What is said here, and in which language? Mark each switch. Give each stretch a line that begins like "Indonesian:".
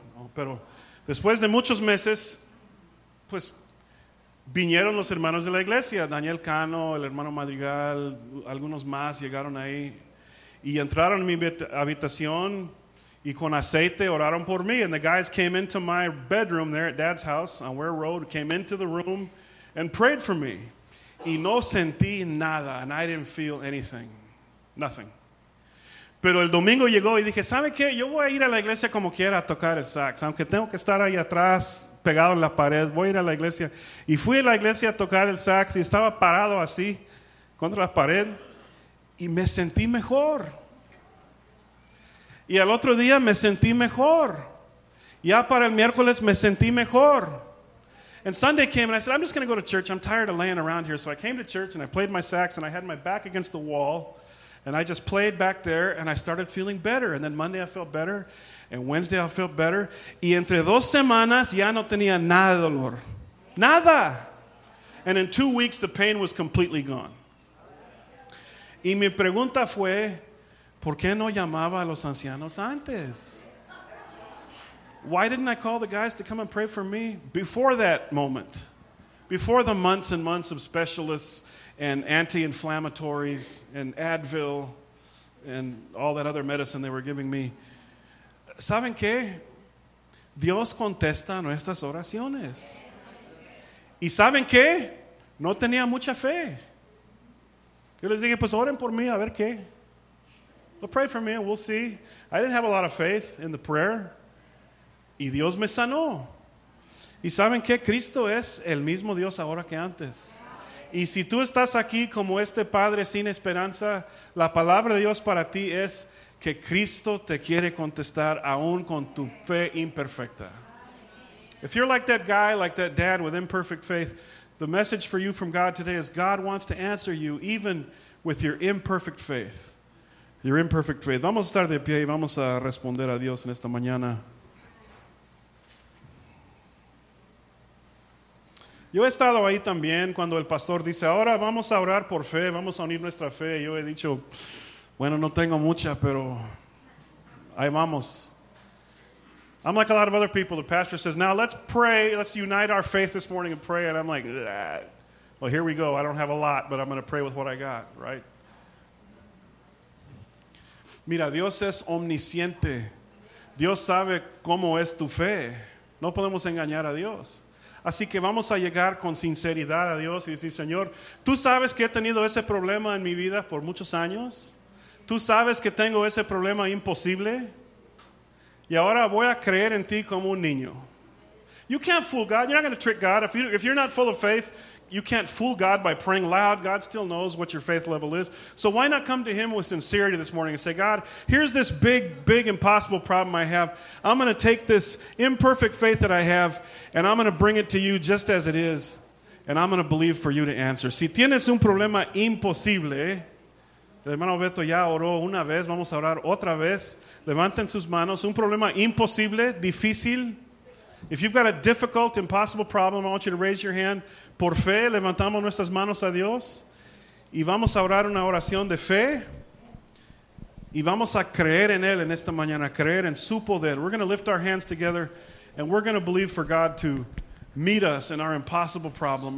Spanish: No, pero después de muchos meses, pues, vinieron los hermanos de la iglesia, Daniel Cano, el hermano Madrigal, algunos más llegaron ahí y entraron en mi habitación y con aceite oraron por mí.
English: And the guys came into my bedroom there at Dad's house on Ware Road, came into the room and prayed for me.
Spanish: Y no sentí nada,
English: and I didn't feel anything, nothing.
Spanish: Pero el domingo llegó y dije, ¿sabe qué? Yo voy a ir a la iglesia como quiera a tocar el sax, aunque tengo que estar ahí atrás pegado en la pared, voy a ir a la iglesia. Y fui a la iglesia a tocar el sax y estaba parado así contra la pared y me sentí mejor. Y al otro día me sentí mejor. Ya para el miércoles me sentí mejor.
English: And Sunday came and I said, I'm just going to go to church. I'm tired of laying around here. So I came to church and I played my sax and I had my back against the wall. And I just played back there and I started feeling better. And then Monday I felt better. And Wednesday I felt better.
Spanish: Y entre dos semanas ya no tenía nada de dolor. Nada.
English: And in 2 weeks the pain was completely gone.
Spanish: Y mi pregunta fue, ¿por qué no llamaba a los ancianos antes?
English: Why didn't I call the guys to come and pray for me before that moment? Before the months and months of specialists and anti-inflammatories and Advil and all that other medicine they were giving me.
Spanish: ¿Saben qué? Dios contesta nuestras oraciones. ¿Y saben qué? No tenía mucha fe. Yo les dije, pues oren por mí, a ver qué.
English: They'll pray for me and we'll see. I didn't have a lot of faith in the prayer.
Spanish: Y Dios me sanó. ¿Y saben qué? Cristo es el mismo Dios ahora que antes. Y si tú estás aquí como este padre sin esperanza, la palabra de Dios para ti es que Cristo te quiere contestar aún con tu fe imperfecta.
English: If you're like that guy, like that dad with imperfect faith, the message for you from God today is God wants to answer you even with your imperfect faith. Your imperfect faith.
Spanish: Vamos a estar de pie y vamos a responder a Dios en esta mañana. Yo he estado ahí también cuando el pastor dice, ahora vamos a orar por fe, vamos a unir nuestra fe. Yo he dicho, bueno, no tengo mucha, pero ahí vamos.
English: I'm like a lot of other people. The pastor says, now let's pray, let's unite our faith this morning and pray. And I'm like, well, here we go. I don't have a lot, but I'm going to pray with what I got, right?
Spanish: Mira, Dios es omnisciente. Dios sabe cómo es tu fe. No podemos engañar a Dios. Así que vamos a llegar con sinceridad a Dios y decir, Señor, tú sabes que he tenido ese problema en mi vida por muchos años. Tú sabes que tengo ese problema imposible. Y ahora voy a creer en ti como un niño.
English: You can't fool God. You're not going to trick God. If you're not full of faith, you can't fool God by praying loud. God still knows what your faith level is. So why not come to him with sincerity this morning and say, God, here's this big, big, impossible problem I have. I'm going to take this imperfect faith that I have, and I'm going to bring it to you just as it is, and I'm going to believe for you to answer.
Spanish: Si tienes un problema imposible, el hermano Beto ya oró una vez, vamos a orar otra vez. Levanten sus manos. Un problema imposible, difícil.
English: If you've got a difficult, impossible problem, I want you to raise your hand.
Spanish: Por fe, levantamos nuestras manos a Dios. Y vamos a orar una oración de fe. Y vamos a creer en Él en esta mañana. Creer en su poder.
English: We're going to lift our hands together. And we're going to believe for God to meet us in our impossible problem.